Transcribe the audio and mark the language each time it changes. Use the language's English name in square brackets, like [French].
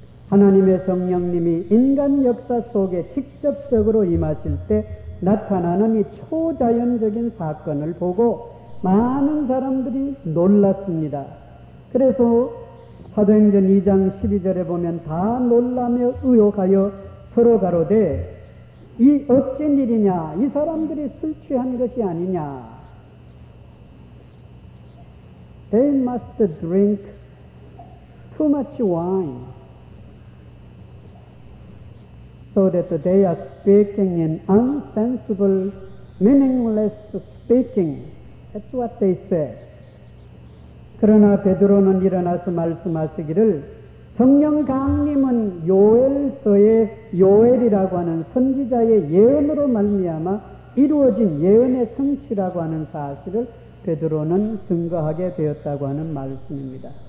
[Korean] 하나님의 성령님이 인간 역사 속에 직접적으로 임하실 때 나타나는 이 초자연적인 사건을 보고 많은 사람들이 놀랐습니다. 그래서 사도행전 2장 12절에 보면 다 놀라며 의혹하여 서로 가로되 이 어찌 일이냐, 이 사람들이 술 취한 것이 아니냐. [English] They must drink too much wine so that they are speaking in unsensible, meaningless speaking. That's what they said. [Korean] 그러나 베드로는 일어나서 말씀하시기를 성령 강림은 요엘서의 요엘이라고 하는 선지자의 예언으로 말미암아 이루어진 예언의 성취라고 하는 사실을 베드로는 증거하게 되었다고 하는 말씀입니다.